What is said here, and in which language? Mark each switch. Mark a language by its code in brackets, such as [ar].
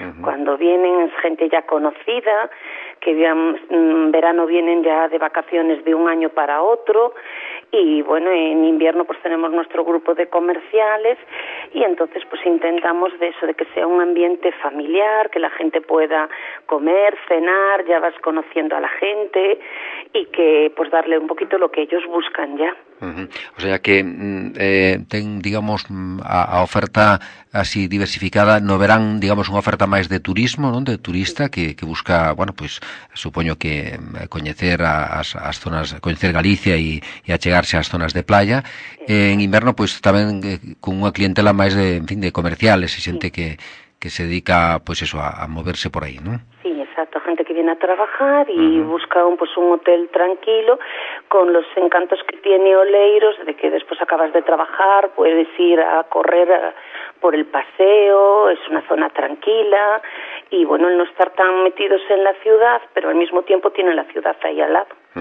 [es] Cuando vienen, es gente ya conocida, que en verano vienen ya de vacaciones de un año para otro, y bueno, en invierno pues tenemos nuestro grupo de comerciales, y entonces pues intentamos de eso, de que sea un ambiente familiar, que la gente pueda comer, cenar, ya vas conociendo a la gente, y que pues darle un poquito lo que ellos buscan ya. [gl] O sea que ten, digamos, a oferta así diversificada, no verán, digamos, unha oferta máis de turismo, non? De turista que busca, bueno, pois, supoño que coñecer as zonas, coñecer Galicia e achegarse ás zonas de playa. En inverno, pois, tamén con unha clientela máis de, en fin, de comerciales, e xente que se dedica, pois, eso, a moverse por aí, non? [es] Sí, exacto, gente que viene a trabajar y busca un hotel tranquilo, con los encantos que tiene Oleiros, de que después acabas de trabajar, puedes ir a correr por el paseo, es una zona tranquila, y bueno, el no estar tan metidos en la ciudad, pero al mismo tiempo tiene la ciudad ahí al lado.